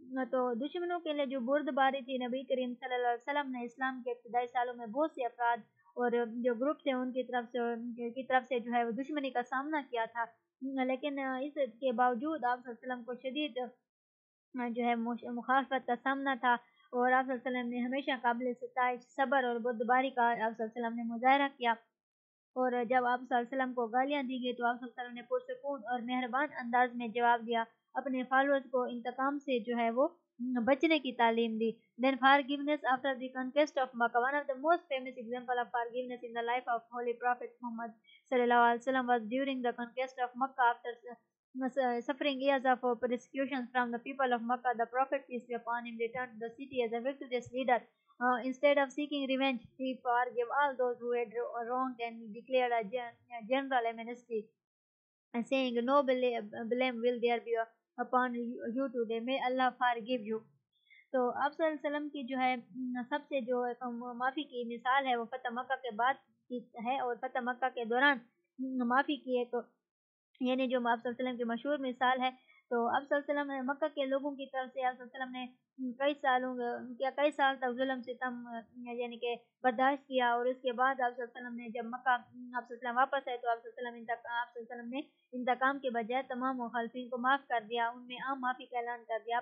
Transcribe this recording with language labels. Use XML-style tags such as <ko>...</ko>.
<ur>تو دشمنوں کے لئے جو بردباری تھی, نبی کریم صلی اللہ علیہ وسلم نے اسلام کے ابتدائی سالوں میں بہت سے افراد اور جو گروپ تھے ان کی طرف سے جو ہے وہ دشمنی کا سامنا کیا تھا, لیکن اس کے باوجود آپ صلی اللہ علیہ وسلم کو شدید جو ہے مخالفت کا سامنا تھا, اور آپ صلی اللہ علیہ وسلم نے ہمیشہ قابل ستائش صبر اور بردباری کا آپ صلی اللہ علیہ وسلم نے مظاہرہ کیا. اور جب آپ صلی اللہ علیہ وسلم کو گالیاں دی گئی تو آپ صلی اللہ علیہ وسلم نے پرسکون اور مہربان انداز میں جواب دیا, اپنے فالوورز کو انتقام سے جو ہے وہ بچنے کی تعلیم دی.</ur> <en>Then forgiveness after the conquest of Makkah. One of the most famous example of forgiveness in the life of Holy Prophet Muhammad صلی اللہ علیہ وسلم was during the conquest of Makkah. After suffering years of persecution from the people of Makkah, the Prophet peace be upon him returned to the city as a victorious leader. Instead of seeking revenge, he forgave all those who had wronged and declared a general amnesty, and saying, no blame will there be upon you today. May Allah forgive you.</en> <ur>So, آپ صلی اللہ علیہ وسلم کی جو ہے سب سے جو معافی کی مثال ہے وہ فتح مکہ کے بعد کی ہے, اور فتح مکہ کے دوران معافی کی ہے, تو یعنی جو آپ صلی اللہ علیہ وسلم کی مشہور مثال ہے. تو آپ صلی اللہ علیہ وسلم نے مکہ کے لوگوں کی طرف سے آپ صلی اللہ علیہ وسلم نے کئی سال تک ظلم ستم یعنی کہ برداشت کیا, اور اس کے بعد آپ صلی اللہ علیہ وسلم نے جب مکہ آپ صلی اللہ علیہ وسلم واپس آئے تو آپ صلی اللہ علیہ وسلم نے انتقام کے بجائے تمام مخالفین کو معاف کر دیا, ان میں عام معافی کا اعلان کر دیا.</ur>